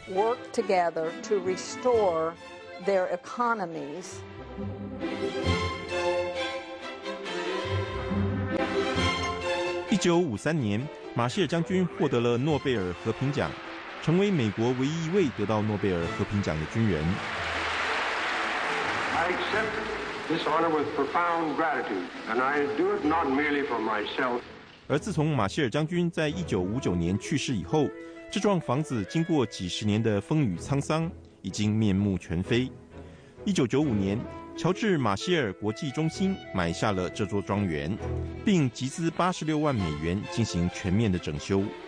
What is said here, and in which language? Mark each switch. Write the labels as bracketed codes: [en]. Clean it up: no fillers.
[en] Work together to restore their economies. [zh] 1953年，马歇尔将军获得了诺贝尔和平奖，成为美国唯一一位得到诺贝尔和平奖的军人。 [en] I accept this honor with profound gratitude, and I do it not merely for myself. [zh] 而自从马歇尔将军在1959年去世以后，这幢房子经过几十年的风雨沧桑，已经面目全非。1995年。乔治·马歇尔国际中心买下了这座庄园，并集资86万美元进行全面的整修。